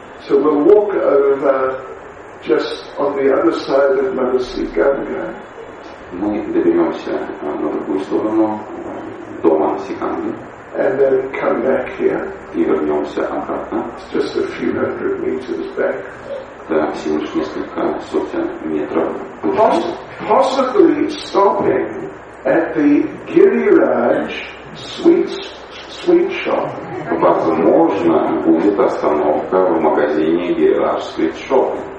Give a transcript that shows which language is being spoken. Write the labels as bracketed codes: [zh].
[en] So we'll walk over just on the other side of Manasi Ganga. [ru] Мы доберемся на другую сторону до Манаси Ганги. [en] And then come back here. [ru] И вернемся обратно. [en] It's just a few hundred meters back. [ru] Да, всего лишь несколько сотен метров. [en] Possibly stopping at the Гирирадж sweet shop. [ru] Возможно, будет остановка в магазине Гирирадж [en] sweet shop.